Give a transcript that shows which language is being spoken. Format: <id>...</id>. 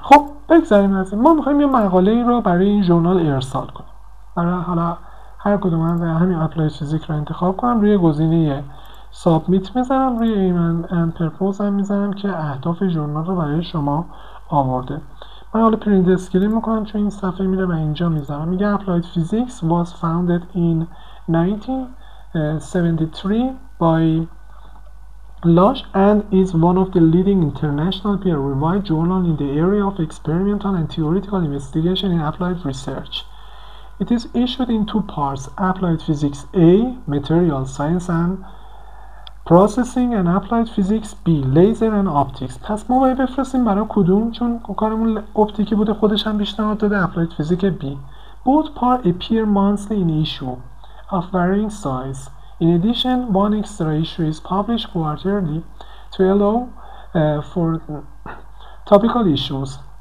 <fa>خب بگذاریم از این، ما میخواییم یه مقاله ای رو برای این ژورنال ارسال کنیم. برای حالا هر کدوم از همین اپلاید فیزیک رو انتخاب کنم، روی گزینه سابمیت میزنم، روی ایمن اند پرپوز هم میزنم که اهداف ژورنال رو برای شما آورده. من حالا پرینت اسکرین میکنم چون این صفحه میره و اینجا میزنم. میگه</fa> <en>Applied Physics was founded in 1973 by Lush and is one of the leading international peer-reviewed journal in the area of experimental and theoretical investigation in applied research. It is issued in two parts, Applied Physics A, Material Science and Processing and Applied Physics B, Laser and Optics.</en> <fa>پس ما باید بفرستیم برای کدوم، چون کارمون اپتیکی بوده، خودش هم پیشنهاد داده Applied Physics B.</fa> <en>Both parts appear monthly in issue of varying size. In addition, one extra issue is published quarterly to allow for topical issues.</en>